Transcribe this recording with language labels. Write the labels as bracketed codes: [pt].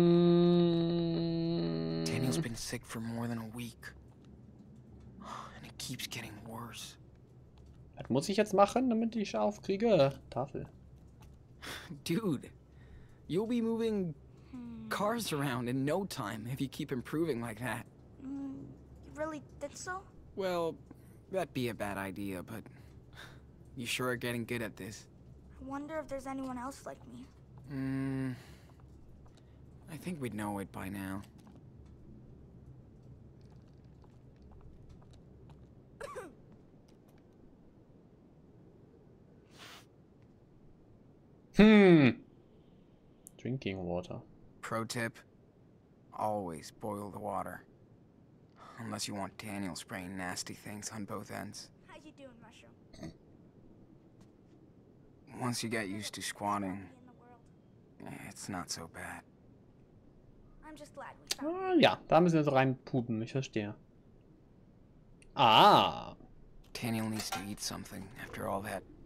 [en] Daniel's been sick for more than a week. And it keeps getting worse. [de] Was muss ich jetzt machen, damit ich aufkriege? Tafel. [en] Dude, you'll be moving cars around in no time if you keep improving like that. You really think so? Well, that'd be a bad idea, but you sure are getting good at this. I wonder if there's anyone else like me. I think we'd know it by now. Drinking water. Pro tip, always boil the water. Unless you want Daniel spraying nasty things on both ends. How you doing, Mushroom? Once you get used to squatting, it's not so bad. I'm just glad we [de] Ja, da müssen wir so reinpupen, ich verstehe. Ah! [en] Daniel needs to eat something after all that.